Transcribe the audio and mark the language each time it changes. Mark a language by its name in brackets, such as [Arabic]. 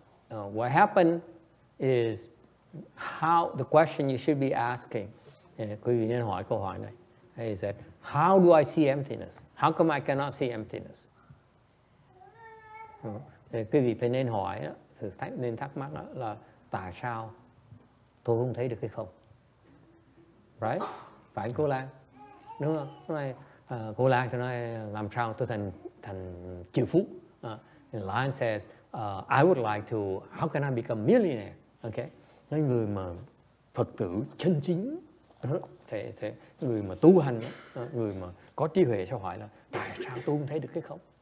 [English] What happened is how the question you should be asking. [Vietnamese] Quý vị nên hỏi câu hỏi này. [English] He said, how do I see emptiness? How come I cannot see emptiness? [Vietnamese] Quý vị phải nên hỏi, nên thắc mắc là tại sao tôi không thấy được cái không? Right? Phải cô Lan? Đúng không? Cô Lan thì nói làm sao tôi thành triệu phú? [English] And Lan says, I would like to, how can I become millionaire? Okay? [Vietnamese] Nói người mà Phật tử chân chính, thế người mà tu hành, người mà có trí huệ sẽ hỏi là tại sao tôi không thấy được cái không?